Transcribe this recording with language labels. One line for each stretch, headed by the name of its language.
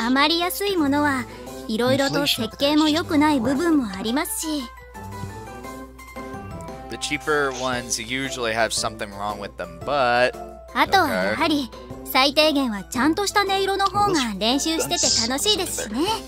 Japanese: あまり安いものは、いろいろと設計も良くない部分もありますし。
English: The cheaper ones usually have something wrong with them, but...
Japanese: あとはやはり、最低限はちゃんとした音色の方が練習してて楽しいですしね。